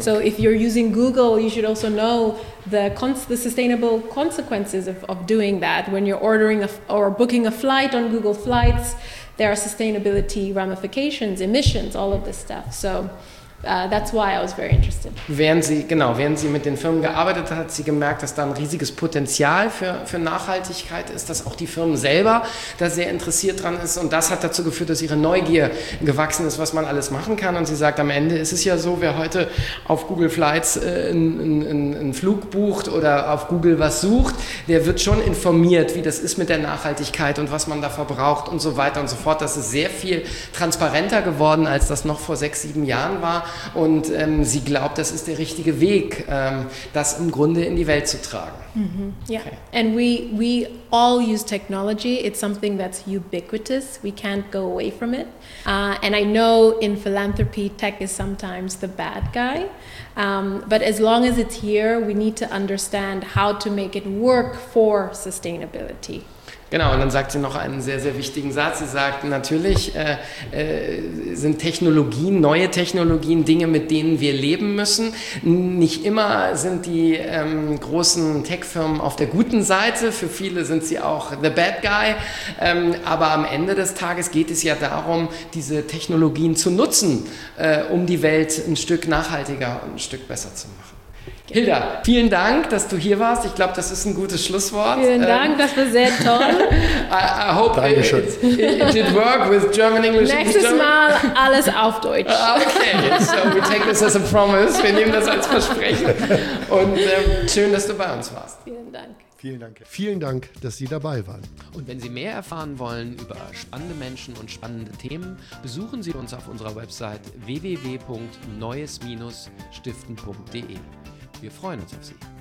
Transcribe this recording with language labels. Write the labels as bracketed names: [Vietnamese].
[English] So if you're using Google, you should also know the sustainable consequences of doing that. When you're ordering or booking a flight on Google Flights, there are sustainability ramifications, emissions, all of this stuff. So that's why I was very interested. [German] Während sie mit den Firmen gearbeitet hat, hat sie gemerkt, dass da ein riesiges Potenzial für Nachhaltigkeit ist, dass auch die Firmen selber da sehr interessiert dran ist. Und das hat dazu geführt, dass ihre Neugier gewachsen ist, was man alles machen kann. Und sie sagt, am Ende ist es ja so, wer heute auf Google Flights einen Flug bucht oder auf Google was sucht, der wird schon informiert, wie das ist mit der Nachhaltigkeit und was man da verbraucht und so weiter und so fort. Das ist sehr viel transparenter geworden, als das noch vor 6, 7 Jahren war. Und sie glaubt, das ist der richtige Weg, das im Grunde in die Welt zu tragen. [English] Mm-hmm. Yeah. Okay. And we all use technology. It's something that's ubiquitous. We can't go away from it. And I know in philanthropy, tech is sometimes the bad guy. But as long as it's here, we need to understand how to make it work for sustainability. [German] Genau, und dann sagt sie noch einen sehr, sehr wichtigen Satz. Sie sagt, natürlich sind Technologien, neue Technologien, Dinge, mit denen wir leben müssen. Nicht immer sind die großen Tech-Firmen auf der guten Seite. Für viele sind sie auch [English] the bad guy. [German] Aber am Ende des Tages geht es ja darum, diese Technologien zu nutzen, um die Welt ein Stück nachhaltiger und ein Stück besser zu machen. Hilda, vielen Dank, dass du hier warst. Ich glaube, das ist ein gutes Schlusswort. Vielen Dank, das war sehr toll. [English] I hope [German] Dankeschön. [English] It did work with German English. [German] Nächstes Mal alles auf Deutsch. [English] Okay, so we take this as a promise. [German] Wir nehmen das als Versprechen. Und schön, dass du bei uns warst. Vielen Dank. Vielen Dank. Vielen Dank, dass Sie dabei waren. Und wenn Sie mehr erfahren wollen über spannende Menschen und spannende Themen, besuchen Sie uns auf unserer Website www.neues-stiften.de. Wir freuen uns auf Sie.